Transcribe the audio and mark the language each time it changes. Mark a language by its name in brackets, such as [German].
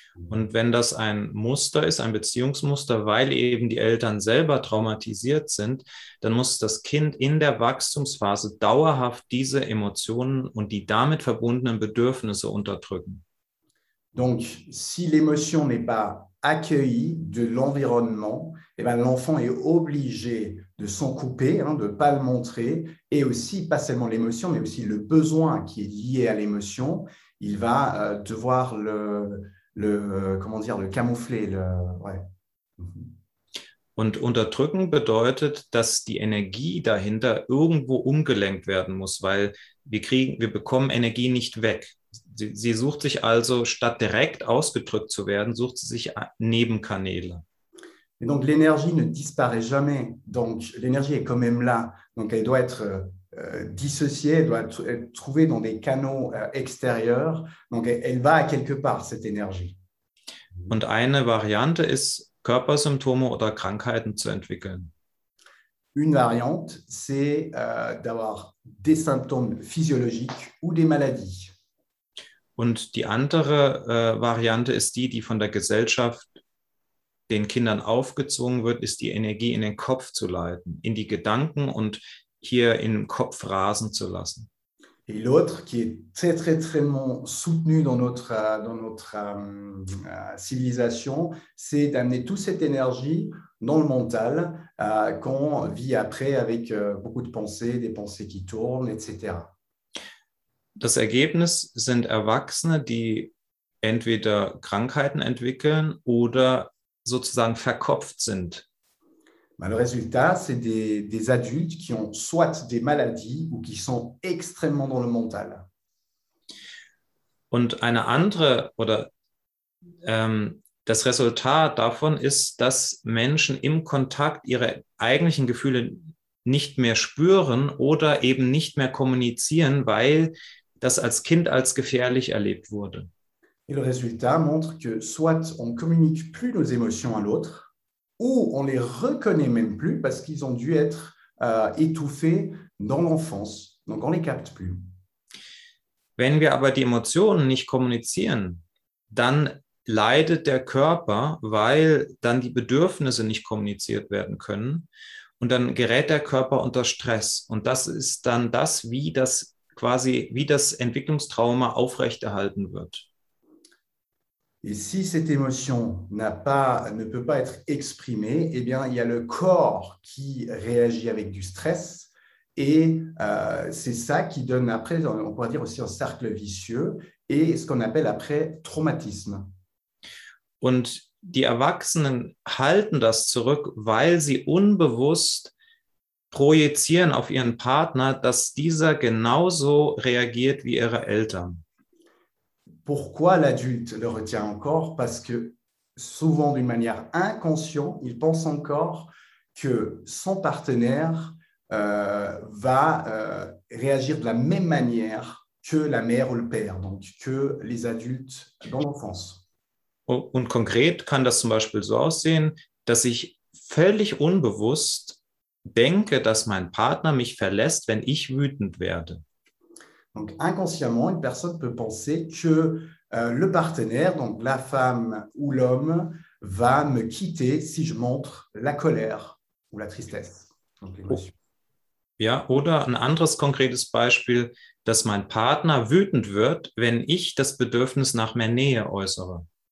[German] Und wenn das ein Muster ist, ein Beziehungsmuster, weil eben die Eltern selber traumatisiert sind, dann muss das Kind in der Wachstumsphase dauerhaft diese Emotionen und die damit verbundenen Bedürfnisse unterdrücken. [French] Donc, si l'émotion n'est pas accueillie de l'environnement, eh ben, l'enfant est obligé de s'en couper, hein, de ne pas le montrer, et aussi, pas seulement l'émotion, mais aussi le besoin qui est lié à l'émotion, il va devoir le camoufler, ouais. [German] Und unterdrücken bedeutet, dass die Energie dahinter irgendwo umgelenkt werden muss, weil wir bekommen Energie nicht weg. Sie sucht sich also, statt direkt ausgedrückt zu werden, sucht sie sich Nebenkanäle. [French] Et donc l'énergie ne disparaît jamais. Donc l'énergie est quand même là. Donc elle doit être dissociée, elle doit être trouvée dans des canaux extérieurs. Donc elle va à quelque part, cette énergie. [German] Und eine Variante ist, Körpersymptome oder Krankheiten zu entwickeln. [French] Une variante, c'est d'avoir des symptômes physiologiques ou des maladies. [German] Und die andere Variante ist die, die von der Gesellschaft den Kindern aufgezwungen wird, ist die Energie in den Kopf zu leiten, in die Gedanken und hier im Kopf rasen zu lassen. [French] Et l'autre, qui est très, très, très soutenu dans notre civilisation, c'est d'amener toute cette énergie dans le mental qu'on vit après avec beaucoup de pensées, des pensées qui tournent, etc. [German] Das Ergebnis sind Erwachsene, die entweder Krankheiten entwickeln oder sozusagen verkopft sind. [French] Le résultat, c'est des adultes qui ont soit des maladies ou qui sont extrêmement dans le mental. [German] Und eine andere, oder das Resultat davon ist, dass Menschen im Kontakt ihre eigentlichen Gefühle nicht mehr spüren oder eben nicht mehr kommunizieren, weil das als Kind als gefährlich erlebt wurde. [French] Et le résultat montre que soit on communique plus nos émotions à l'autre, ou on ne les reconnaît même plus parce qu'ils ont dû être étouffés dans l'enfance. Donc, on ne les capte plus. [German] Wenn wir aber die Emotionen nicht kommunizieren, dann leidet der Körper, weil dann die Bedürfnisse nicht kommuniziert werden können. Und dann gerät der Körper unter Stress. Und das ist dann das, wie das quasi, wie das Entwicklungstrauma aufrechterhalten wird. [French] Et si cette émotion ne peut pas être exprimée, eh bien, il y a le corps qui réagit avec du stress. Et c'est ça qui donne après, on pourrait dire aussi un cercle vicieux et ce qu'on appelle après traumatisme. [German] Und die Erwachsenen halten das zurück, weil sie unbewusst projizieren auf ihren Partner, dass dieser genauso reagiert wie ihre Eltern. [French] Pourquoi l'adulte le retient encore? Parce que souvent, d'une manière inconsciente, il pense encore que son partenaire va réagir de la même manière que la mère ou le père, donc que les adultes dans l'enfance. [German] Und konkret kann das zum Beispiel so aussehen, dass ich völlig unbewusst denke, dass mein Partner mich verlässt, wenn ich wütend werde. [French] Donc, inconsciemment, une personne peut penser que le partenaire, donc la femme ou l'homme, va me quitter si je montre la colère ou la tristesse, donc l'émotion. [German] Ja, oder ein anderes konkretes Beispiel, dass mein Partner wütend wird, wenn ich das Bedürfnis nach mehr Nähe äußere.